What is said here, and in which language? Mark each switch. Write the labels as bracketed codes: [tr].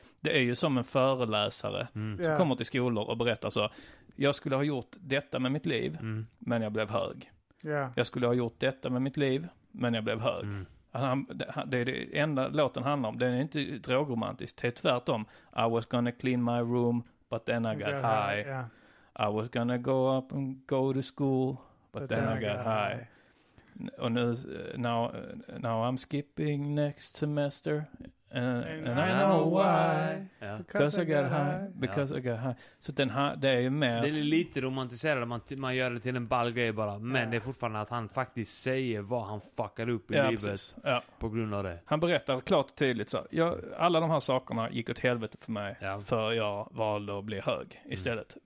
[sv] Det är ju som en föreläsare som kommer till skolor och berättar så, jag skulle ha gjort detta med mitt liv, men jag blev hög. [en] Yeah. [sv] Jag skulle ha gjort detta med mitt liv, men jag blev hög. Mm. Det är det enda låten handlar om. Den är inte drogromantisk, det är tvärtom. [en] I was gonna clean my room, but then I got high. Yeah. I was gonna go up and go to school, but then I got high. Och nu, now I'm skipping next semester, and I know why. [sv] Ja. Because I got high. Så den här, det är ju mer... Det är lite romantiserat, man gör det till en ballgrej bara. Men det är fortfarande att han faktiskt säger vad han fuckar upp i livet på grund av det. Han berättar klart och tydligt så. Jag, alla de här sakerna gick åt helvete för mig för jag valde att bli hög istället. Mm.